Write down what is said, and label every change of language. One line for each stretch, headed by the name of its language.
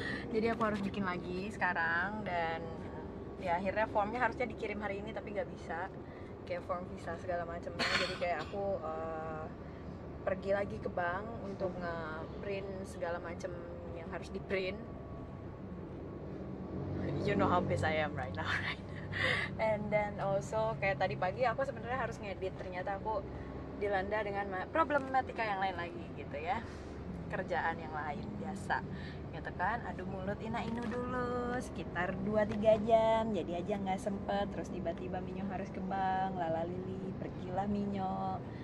Indonesian: Jadi aku harus bikin lagi sekarang, dan ya akhirnya formnya harusnya dikirim hari ini tapi gak bisa, kayak form visa segala macamnya. Jadi kayak aku pergi lagi ke bank untuk nge-print segala macam yang harus di-print.
English: You know how busy I am right now, right? And then also
Indonesian: kayak tadi pagi aku sebenarnya harus ngedit, ternyata aku dilanda dengan problematika yang lain lagi gitu ya. Kerjaan yang lain biasa. Gitu kan, aduh mulut ina inu dulu sekitar 2-3 jam. Jadi aja enggak sempet, terus tiba-tiba Minyo harus ke bank, lala lili, pergilah Minyo.